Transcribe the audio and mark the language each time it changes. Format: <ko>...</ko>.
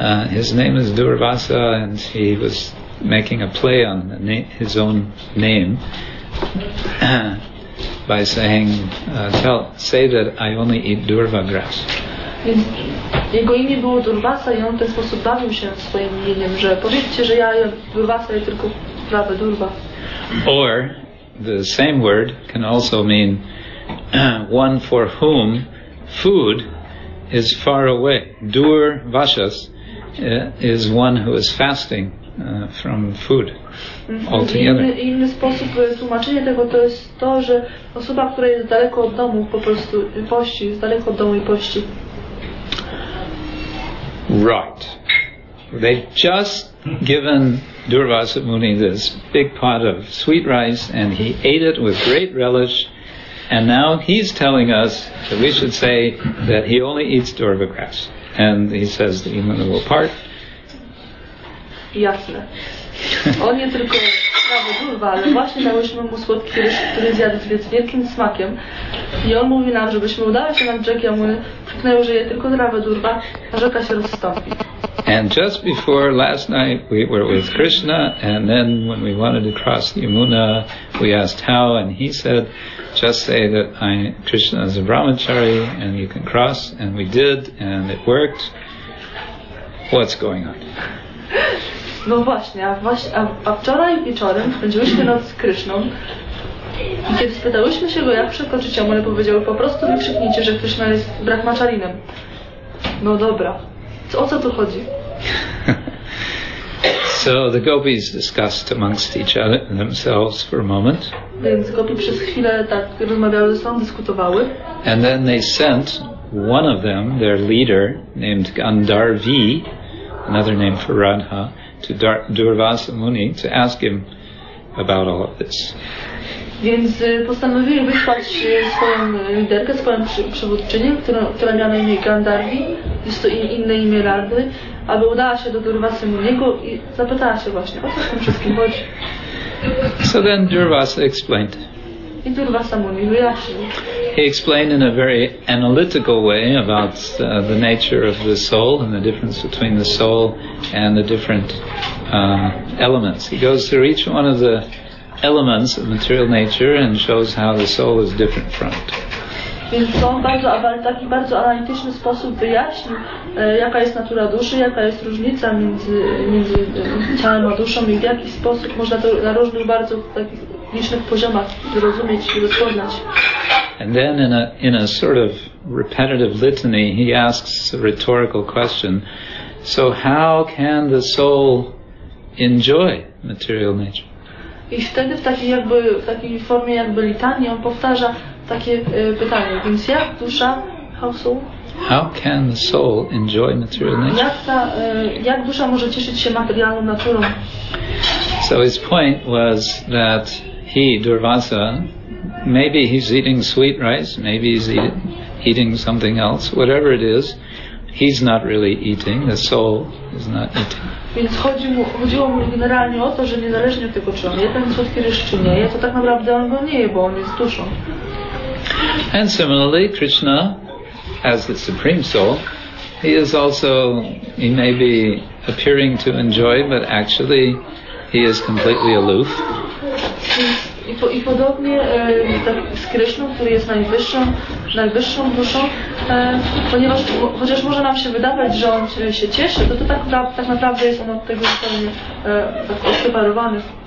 <en>His name is Durvasa, and he was making a play on his own name by saying, say that I only eat durva grass.</en> <pl>Jego imię było Durvasa i on w ten sposób bawił się swoim imieniem, że powiedzcie, że ja jem Durvasa i tylko trawę durva.</pl> <en>Or the same word can also mean one for whom food is far away. Durvashas is one who is fasting from food altogether.</en> <pl>Inny sposób tłumaczenia tego to jest to, że osoba, która jest daleko od domu, po prostu pości, jest daleko od domu i pości.</pl> <en>Right. They've just given Durvasa Muni this big pot of sweet rice, and he ate it with great relish. And now he's telling us that we should say that he only eats durva grass. And he says the Yamuna will part.</en> <pl>Jasne. On nie tylko trawę durwa, ale właśnie dałyśmy mu słodki ryż, który zjadł z wielkim smakiem. I on mówi nam, żebyśmy udali się na brzeg Yamuny, krzyknęły, że je tylko trawę durwa, a rzeka się rozstąpi.</pl> <en>And just before last night we were with Krishna, and then when we wanted to cross the Yamuna, we asked how, and he said, just say that Krishna is a brahmachari and you can cross, and we did, and it worked. What's going on?</en> <pl>No właśnie, a wczoraj wieczorem spędziłyśmy noc z Krishną, i kiedy spytałyśmy się go, jak przekroczyć Yamunę, powiedział, po prostu wykrzyknijcie, że Krishna jest brahmacharinem. No dobra. O co tu chodzi?</pl> <en>So the gopis discussed amongst each other themselves for a moment.</en> <pl>Więc gopi przez chwilę tak rozmawiały ze sobą, dyskutowały.</pl> <en>And then they sent one of them, their leader, named Gandharvi, another name for Radha, to Durvasa Muni to ask him about all of this.</en> <pl>Więc postanowili wysłać swoją liderkę, swoją przywódczynię, która miała na imię Gandharvi, jest to inne imię Rady, aby udała się do Durvasy Muniego i zapytała się właśnie, o co w tym wszystkim chodzi.</pl> <en>So then Durvasa explained.</en> <pl>I Durvasa Muni wyjaśnił.</pl> <en>He explained in a very analytical way about the nature of the soul and the difference between the soul and the different elements. He goes through each one of the elements of material nature and shows how the soul is different from it.</en> <pl>Więc on bardzo, ale taki bardzo analityczny sposób wyjaśnił, jaka jest natura duszy, jaka jest różnica między ciałem a duszą i w jaki sposób można to na różnych bardzo takich licznych poziomach zrozumieć i rozpoznać.</pl> <en>And then in a sort of repetitive litany, he asks a rhetorical question. So how can the soul enjoy material nature?</en> <pl>I wtedy w takiej formie jakby litanii on powtarza takie pytanie. Więc jak dusza,</pl> <en>how soul? How can the soul enjoy material nature?</en> <pl>Jak dusza może cieszyć się materialną naturą?</pl> <en>So his point was that he, Durvasa, maybe he's eating sweet rice, maybe he's eating something else, whatever it is, he's not really eating, the soul is not eating.</en> <pl>Więc chodziło mu generalnie o to, że niezależnie od tego, czy on je ten słodki ryż, czy nie, to tak naprawdę on go nie je, bo on jest duszą.</pl> <en>And similarly, Krishna, as the supreme soul, he is also, he may be appearing to enjoy, but actually he is completely aloof.</en> <pl>I podobnie tak z Krishną, który jest najwyższą duszą, ponieważ chociaż może nam się wydawać, że on się cieszy, to tak naprawdę jest on od tego zupełnie tak odseparowany.</pl>